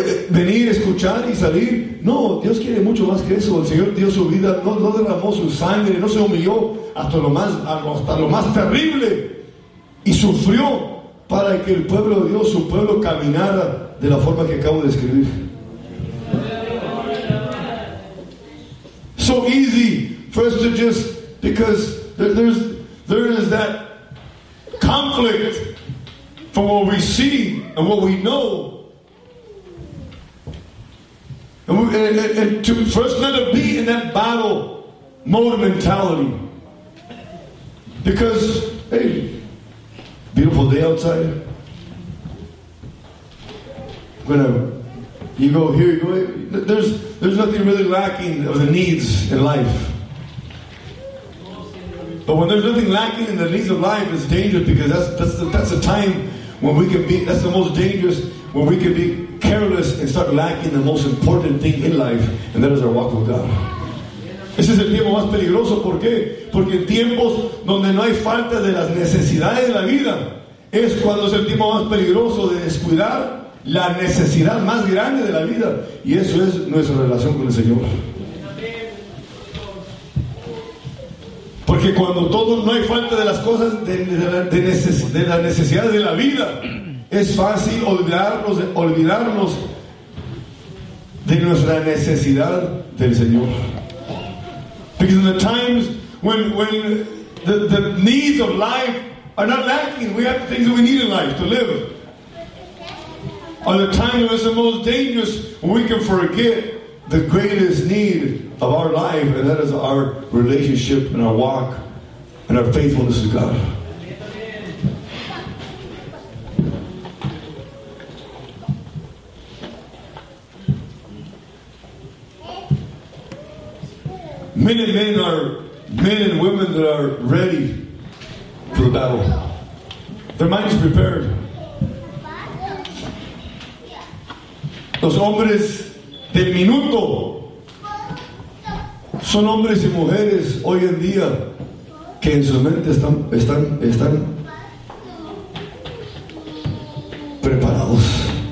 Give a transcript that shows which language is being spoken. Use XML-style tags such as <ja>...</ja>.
<es>Venir, escuchar y salir. No, Dios quiere mucho más que eso. El Señor dio su vida, no derramó su sangre, no se humilló hasta lo más terrible, y sufrió para que el pueblo de Dios, su pueblo, caminara de la forma que acabo de describir.</es> <en>So easy for us to just, because there is that conflict from what we see and what we know. And to first let it be in that battle mode mentality. Because, hey, beautiful day outside. You go here, you go here. There's nothing really lacking of the needs in life. But when there's nothing lacking in the needs of life, it's dangerous, because that's the time when we can be, that's the most dangerous, when we can be careless and start lacking the most important thing in life, and that is our walk with God.</en> <es>Ese es el tiempo más peligroso. ¿Por qué? Porque en tiempos donde no hay falta de las necesidades de la vida, es cuando es el tiempo más peligroso de descuidar la necesidad más grande de la vida, y eso es nuestra relación con el Señor. Porque cuando todo, no hay falta de las cosas de las necesidades de la vida, es fácil olvidarnos de nuestra necesidad del Señor.</es> <en>Because in the times when the needs of life are not lacking, we have the things that we need in life to live. Are the times when it's the most dangerous when we can forget the greatest need of our life, and that is our relationship and our walk and our faithfulness to God. Men and men are men and women that are ready for the battle. Their mind is prepared.</en> <es>Los hombres del minuto son hombres y mujeres hoy en día que en su mente están preparados.</es>